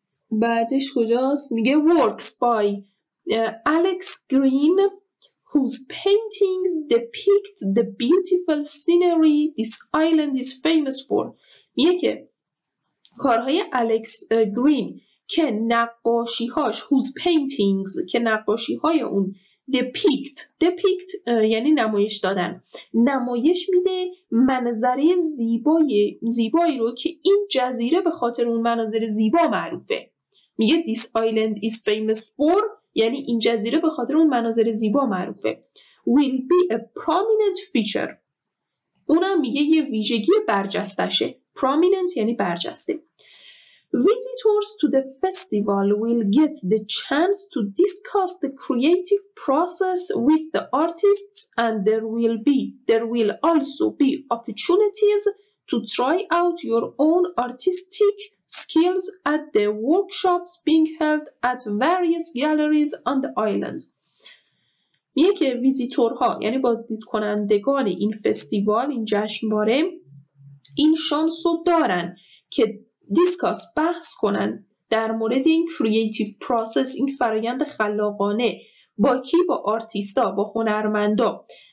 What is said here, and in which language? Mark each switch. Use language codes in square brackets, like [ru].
[fa] بعدش کجاست؟ میگه [en] works by Alex Green whose paintings depict the beautiful scenery this island is famous for. [fa] میگه که کارهای Alex Green که نقاشیهاش، [en] whose paintings [fa] که نقاشیهای اون، depict یعنی نمایش دادن، نمایش میده منظره زیبایی رو که این جزیره به خاطر اون مناظر زیبا معروفه. میگه [en] this island is famous for [fa] یعنی این جزیره به خاطر اون مناظر زیبا معروفه. [en] will be a prominent feature، [fa] اونم میگه یه ویژگی برجستشه. prominent یعنی برجسته. [en] Visitors to the festival will get the chance to discuss the creative process with the artists and there will also be opportunities to try out your own artistic skills at the workshops being held at various galleries on the island. [fa] میگه که ویزیتورها یعنی بازدید کنندگان این فستیوال، این جشنواره، این شانس رو دارن که دیسکاس، بحث کنن در مورد این کریتیو پروسس، این فرایند خلاقانه، با کی؟ با آرتیستا، با هنرمندا.